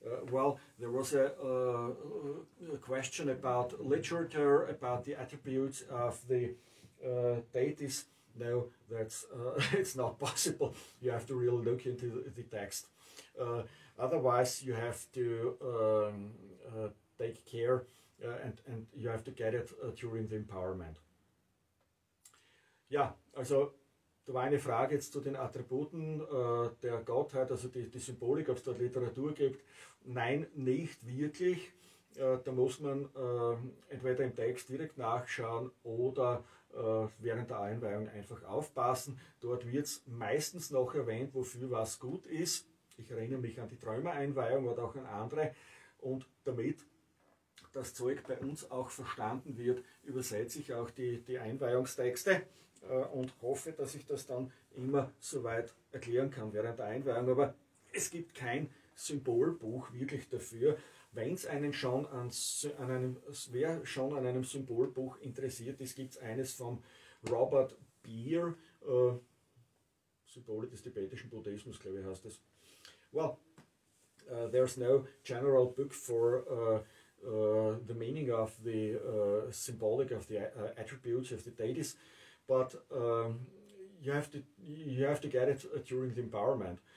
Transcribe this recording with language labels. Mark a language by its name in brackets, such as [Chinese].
[English] Well, there was a question about literature, about the attributes of the deities. No, that's it's not possible. You have to really look into the text. Otherwise, you have to take care and you have to get it during the empowerment. [German] Ja, also da war eine Frage jetzt zu den Attributen der Gottheit, also die Symbolik, ob es dort Literatur gibt. Nein, nicht wirklich. Da muss man entweder im Text direkt nachschauen oder während der Einweihung einfach aufpassen. Dort wird es meistens noch erwähnt, wofür was gut ist. Ich erinnere mich an die Träumereinweihung oder auch an andere. Und damit das Zeug bei uns auch verstanden wird, übersetze ich auch die Einweihungstexte. Und hoffe, dass ich das dann immer soweit erklären kann während der Einweihung. Aber es gibt kein Symbolbuch wirklich dafür. Wenn es einen schon an einem Symbolbuch interessiert ist, gibt es eines vom Robert Beer. Symbole des tibetischen Buddhismus, glaube ich, heißt das. [English] Well, there's no general book for the meaning of the symbolic of the attributes of the deities. But you have to get it during the empowerment.